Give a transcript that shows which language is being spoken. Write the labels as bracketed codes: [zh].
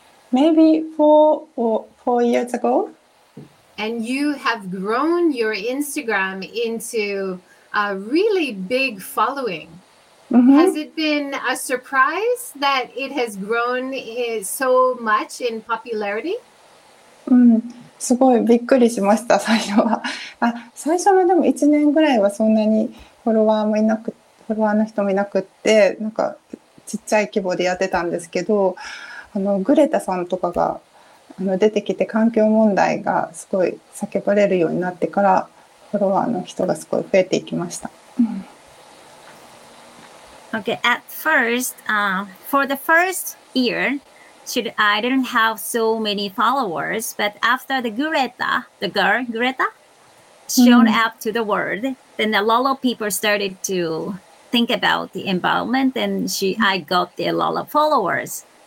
[en] Maybe four years ago. And you have grown your Instagram into a really big following. Mm-hmm. Has it been a surprise that it has grown so much in popularity? Mm-hmm. [ja] すごいびっくりしました最初は。あ、最初はでも1年ぐらいはそんなにフォロワーもいなく、フォロワーの人もいなくって、なんかちっちゃい規模でやってたんですけど、グレタさんとかが出てきて環境問題がすごい叫ばれるようになってから、フォロワーの人がすごい増えていきました。 [en] Okay, at first, for the first year,I didn't have so many followers, but after the girl Greta showed up to the world, then a lot of people started to think about the environment, and I got a lot of followers.